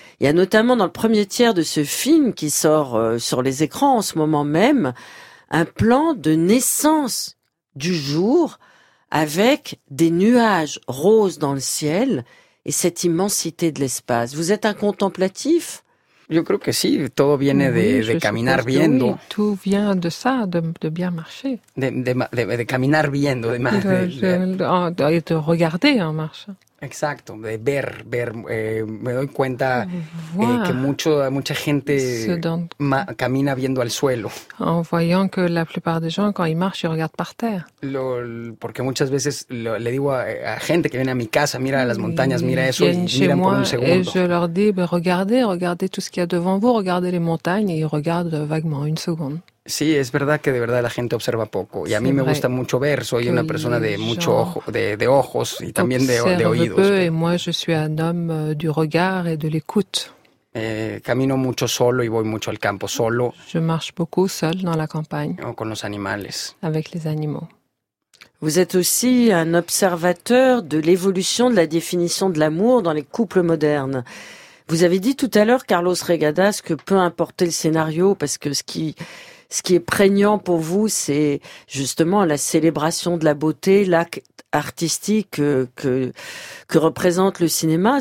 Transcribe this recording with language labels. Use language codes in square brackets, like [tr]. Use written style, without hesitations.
[fr] Il y a notamment dans le premier tiers de ce film qui sort sur les écrans en ce moment même, un plan de naissance du jour avec des nuages roses dans le ciel et cette immensité de l'espace. Vous êtes un contemplatif? [es] Yo creo que sí, todo viene de caminar viendo. [fr] Oui, tout vient de ça, de bien marcher. [es] De caminar viendo, de más. [fr] De regarder en marche. [es] Exacto, de ver. Me doy cuenta que mucha gente camina viendo al suelo. [fr] En voyant que la plupart des gens, quand ils marchent, ils regardent par terre. [es] Porque muchas veces le digo a gente que viene a mi casa, mira las montañas, mira eso, y miran [fr] chez moi, [es] por un segundo. [fr] Et je leur dis, bah, regardez tout ce qu'il y a devant vous, regardez les montagnes, et ils regardent vaguement une seconde. [es] Sí, es verdad que de verdad la gente observa poco. Y a mí me gusta mucho ver. Soy una persona de mucho ojo, de ojos y también de oídos. [fr] Peu, et moi je suis un homme du regard et de l'écoute. [es] Camino mucho solo y voy mucho al campo solo. [fr] Je marche beaucoup seul dans la campagne. [es] O con los animales. [fr] Avec les animaux. Vous êtes aussi un observateur de l'évolution de la définition de l'amour dans les couples modernes. Vous avez dit tout à l'heure, Carlos Regadas, que peu importe le scénario, parce que ce qui est prégnant pour vous, c'est justement la célébration de la beauté, l'acte artistique que représente le cinéma.